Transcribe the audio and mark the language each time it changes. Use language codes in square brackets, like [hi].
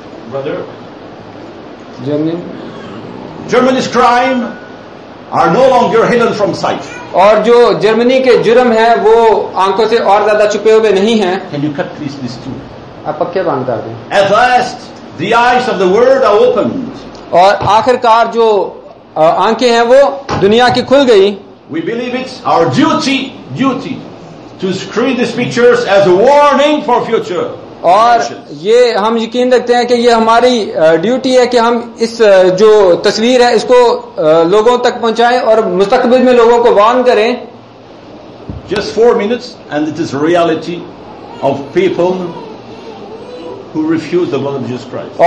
[en] Brother? Germany's crime are no longer hidden from sight. [hi] और जो Germany के जुर्म है वो आंखों से और ज्यादा छुपे हुए नहीं है. [en] Can you cut please this too? [hi] आप पक्के बांधता दें. [en] At last, the eyes of the world are opened. [hi] और आखिरकार जो आंखें हैं वो दुनिया की खुल गई. [en] We believe it's our duty. To screen these pictures as a warning for future. [hi] और ये हम यकीन रखते हैं कि ये हमारी ड्यूटी है कि हम इस जो तस्वीर है इसको लोगों तक पहुंचाएं और मुस्तकबिल में लोगों को वार्न करें. [en] Just 4 minutes and it is reality of people who refuse the blood of Jesus Christ.